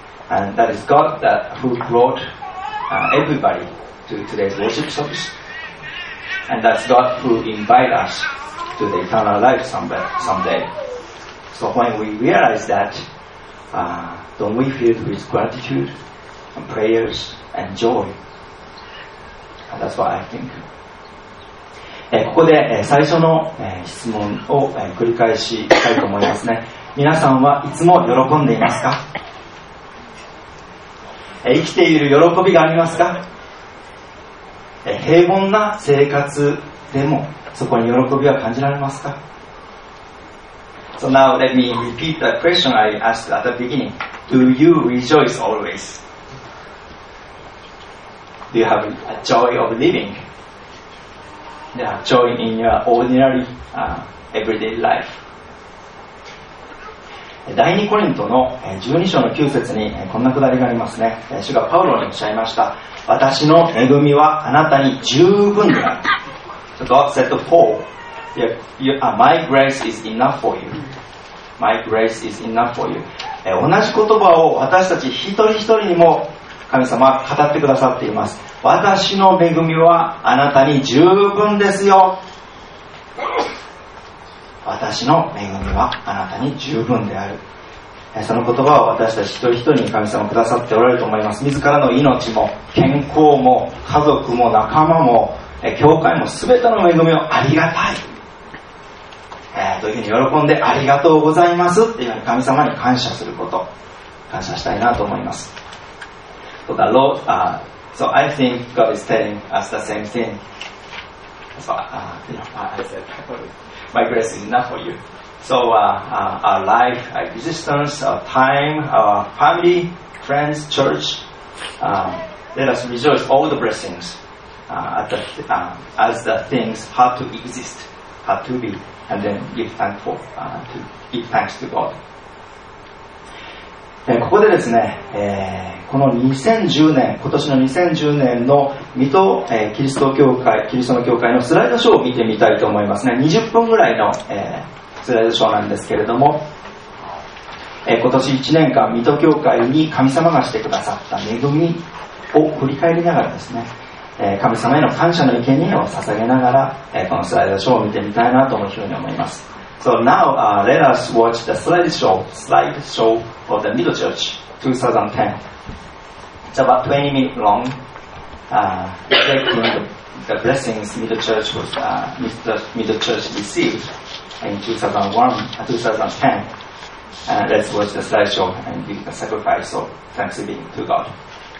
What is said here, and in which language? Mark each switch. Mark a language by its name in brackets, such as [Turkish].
[English] And that is God that who brought everybody to today's worship service. And that's God who invites us to the eternal life someday. So when we realize that, don't we feel with gratitude and prayers and joy? And that's what I think. [Japanese] ここで最初の質問を繰り返したいと思いますね。皆さんはいつも喜んでいますか？生きている喜びがありますか？平凡な生活でもそこに喜びは感じられますか？ [English] So now let me repeat the question I asked at the beginning. Do you rejoice always? Do you have a joy of living? Yeah, joy in your ordinary, everyday life. [Japanese] 第2コリントの12章の9節にこんなくだりがありますね。主がパウロにおっしゃいました。私の恵みはあなたに十分である。 [English] God said to Paul, My grace is enough for you. My grace is enough for you. [Japanese] 同じ言葉を私たち一人一人にも神様は語ってくださっています。私の恵みはあなたに十分ですよ。私の恵みはあなたに十分である。その言葉を私たち一人一人に神様くださっておられると思います。自らの命も健康も家族も仲間も教会も全ての恵みをありがたい、というふうに喜んでありがとうございますというように神様に感謝すること、感謝したいなと思います。 [English] So the Lord, so I think God is telling us the same thing. So, I said, my grace is enough for you. So, our life, our existence, our time, our family, friends, church, let us rejoice all the blessings, as the things had to exist, had to be, and then give thanks to God. [Japanese] ここでですね、この2010年、今年の2010年の水戸、キリスト教会、キリストの教会のスライドショーを見てみたいと思いますね。 20分ぐらいの、スライドショーなんですけれども、今年1年間水戸教会に神様がしてくださった恵みを振り返りながらですね、神様への感謝の生贄を捧げながら、このスライドショーを見てみたいなというふうに思います。 [English] So now, let us watch the slideshow of the Middle Church 2010. It's about 20 minutes long, reflecting the blessings Middle Church received in 2010. Let's watch the slideshow and give the sacrifice of thanksgiving to God.